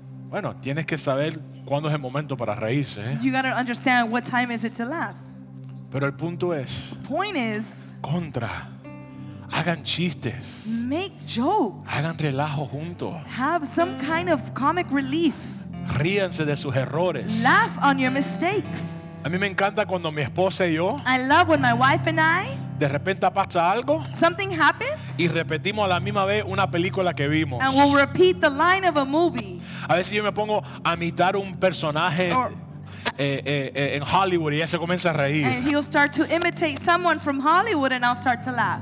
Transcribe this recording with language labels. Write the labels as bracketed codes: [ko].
[es] Bueno, tienes que saber cuándo es el momento para reírse, ¿eh? [en] You gotta understand what time is it to laugh. [es] Pero el punto es. [en] Point is. [es] Contra. Hagan chistes. [en] Make jokes. [es] Hagan relajo juntos. [en] Have some kind of comic relief. [es] Ríanse de sus errores. [en] Laugh on your mistakes. [es] A mí me encanta cuando mi esposa y yo. [en] I love when my wife and I. [es] De repente pasa algo. [en] Something happens. [es] Y repetimos a la misma vez una película que vimos. [en] And we'll repeat the line of a movie. [es] A veces yo me pongo a imitar un personaje en Hollywood y ya se comienza a reír. [en] And he'll start to imitate someone from Hollywood and I'll start to laugh.